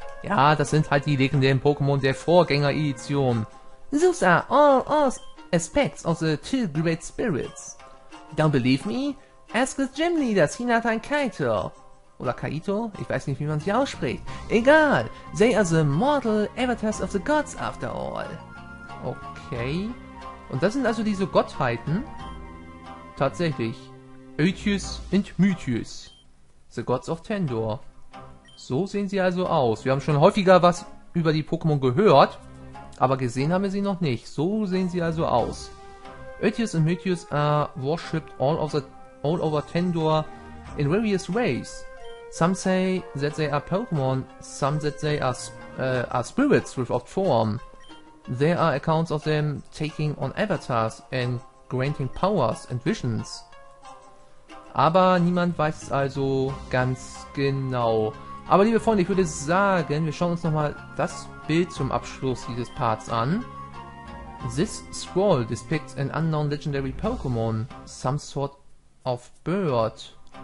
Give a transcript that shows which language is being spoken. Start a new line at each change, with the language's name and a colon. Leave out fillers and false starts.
German: Ja, das sind halt die legendären Pokémon der Vorgänger-Edition.
English: Those are all aspects of the two great spirits. Don't believe me? Ask the gym leaders Hinata and Kaito.
German: Oder Kaito? Ich weiß nicht, wie man sie ausspricht.
English: Egal, they are the mortal avatars of the gods after all.
German: Okay. Und das sind also diese Gottheiten? Tatsächlich.
English: Aetius and Meteos. The Gods of Tendor.
German: So sehen sie also aus. Wir haben schon häufiger was über die Pokémon gehört, aber gesehen haben wir sie noch nicht. So sehen sie also aus.
English: Aetius and Meteos are worshipped all over Tendor in various ways. Some say that they are Pokémon, some that they are spirits without form. There are accounts of them taking on avatars and granting powers and visions.
German: Aber niemand weiß es also ganz genau. Aber liebe Freunde, ich würde sagen, wir schauen uns nochmal das Bild zum Abschluss dieses Parts an.
English: This scroll depicts an unknown legendary Pokémon, some sort of bird.